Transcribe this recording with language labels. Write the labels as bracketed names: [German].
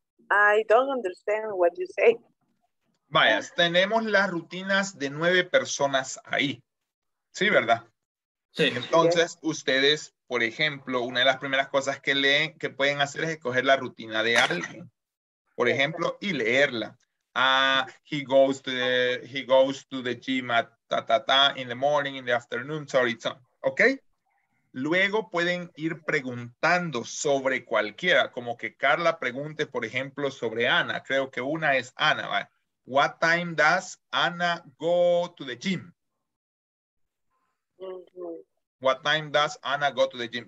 [English] I don't understand what you say. [Spanish] Vaya, tenemos las rutinas de 9 personas ahí. Sí, ¿verdad? Sí. Entonces, sí. Ustedes, por ejemplo, una de las primeras cosas que leen, que pueden hacer es escoger la rutina de alguien, por ejemplo, y leerla. [English] He goes to the gym at ta ta ta in the morning, in the afternoon, sorry, son. [Spanish] ¿Ok? Luego pueden ir preguntando sobre cualquiera, como que Carla pregunte, por ejemplo, sobre Ana. Creo que una es Ana. ¿Vale? [English] What time does Ana go to the gym? What time does Ana go to the gym?